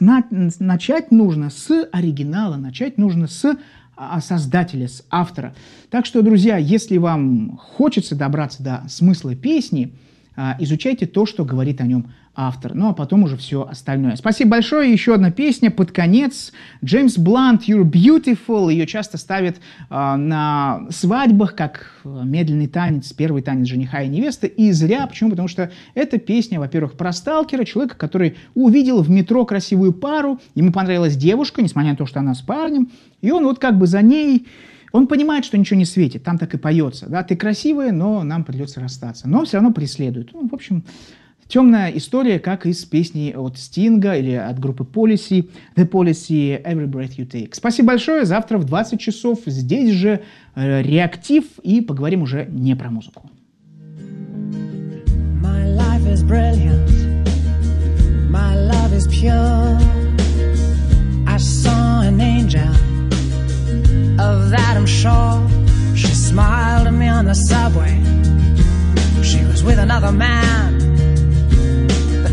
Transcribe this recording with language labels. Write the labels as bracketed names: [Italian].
[Russian] Начать нужно с оригинала, начать нужно с создателя, с автора. Так что, друзья, если вам хочется добраться до смысла песни, изучайте то, что говорит о нем автор. Ну, а потом уже все остальное. Спасибо большое. Еще одна песня под конец. [English] James Blunt, You're Beautiful. [Russian] Ее часто ставят на свадьбах, как медленный танец, первый танец жениха и невесты. И зря. Почему? Потому что эта песня, во-первых, про сталкера, человека, который увидел в метро красивую пару. Ему понравилась девушка, несмотря на то, что она с парнем. И он вот как бы за ней... Он понимает, что ничего не светит. Там так и поется. Да, ты красивая, но нам придется расстаться. Но все равно преследует. Ну, в общем... Темная история, как из песни от Стинга или от группы Policy, The Policy, Every Breath You Take. Спасибо большое, завтра в 20 часов здесь же Реактив, и поговорим уже не про музыку. [English] My life is brilliant, my love is pure. I saw an angel of that I'm sure. She smiled at me on the subway. She was with another man.